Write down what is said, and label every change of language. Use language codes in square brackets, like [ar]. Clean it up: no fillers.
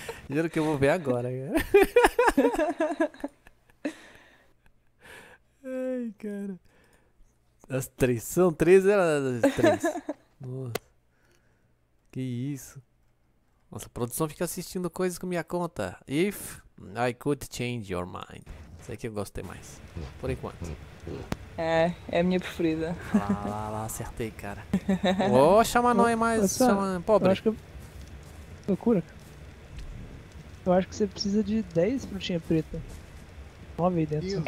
[pt] Juro que eu vou ver agora, cara. Ai, cara. As três. São três, elas as três. Nossa. Que isso. Nossa, a produção fica assistindo coisas com minha conta. [en] If I could change your mind. [pt] Isso aí que eu gostei mais. Por enquanto. É a minha preferida. Lá, acertei, cara. Ô, chama nós mais. Chama pobre. Eu acho que. Loucura. Eu acho que você precisa de 10 frutinhas pretas. 9 aí dentro.